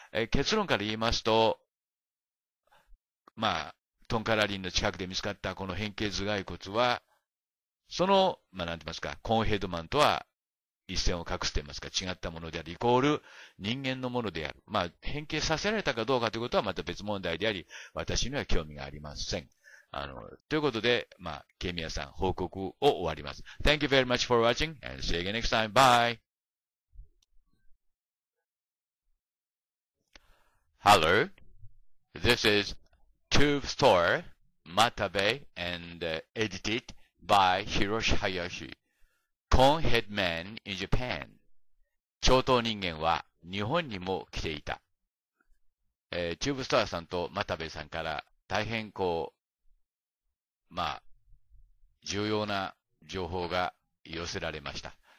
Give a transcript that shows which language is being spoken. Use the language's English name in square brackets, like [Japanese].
[Japanese] 結論から言いますと、まあ、トンカラリンの近くで見つかったこの変形頭蓋骨は、その、まあ、なんて言いますか、コーンヘッドマンとは、一線を隠していますか、違ったものであり、イコール人間のものである。まあ、変形させられたかどうかということはまた別問題であり、私には興味がありません。あの、ということで、まあ、ケミヤさん、報告を終わります。 [English] Thank you very much for watching and see you again next time. Bye! Hello, this is Tube Store Matabe and edited by Hiroshi Hayashi. [Japanese] コーンヘッドマンインジャパン。超等人間は日本にも来ていた。チューブストアさんとマタベさんから大変こう、まあ、重要な情報が寄せられました。